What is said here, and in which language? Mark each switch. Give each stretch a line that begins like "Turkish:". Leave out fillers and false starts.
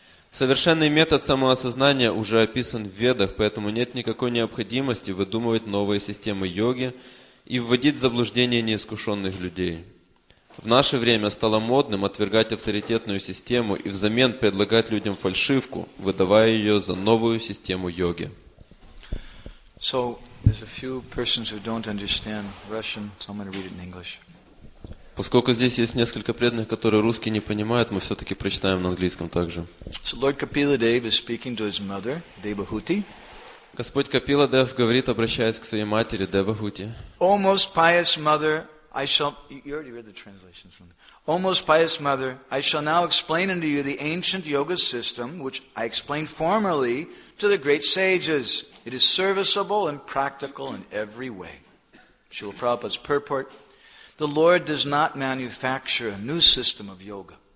Russian: Совершенный метод самоосознания уже описан в Ведах, поэтому нет никакой необходимости выдумывать новые системы йоги и вводить в заблуждение неискушенных людей. В наше время стало модным отвергать авторитетную систему и взамен предлагать людям фальшивку, выдавая ее за новую систему йоги.
English: So, there's a few persons who don't understand Russian, so I'm going to read it in English.
Russian: Поскольку здесь есть несколько преданных, которые русский не понимают, мы все-таки прочитаем на английском также.
English: So Lord Kapila Dev is speaking to his mother, Devahuti.
Russian: Господь Капила Дев говорит, обращаясь к своей матери, Девахути.
English: O most pious mother, I shall... You already read the translation. O most pious mother, I shall now explain unto you the ancient yoga system, which I explained formerly to the great sages. It is serviceable and practical in every way. Srila Prabhupada's purport. The Lord does not manufacture a new system of yoga.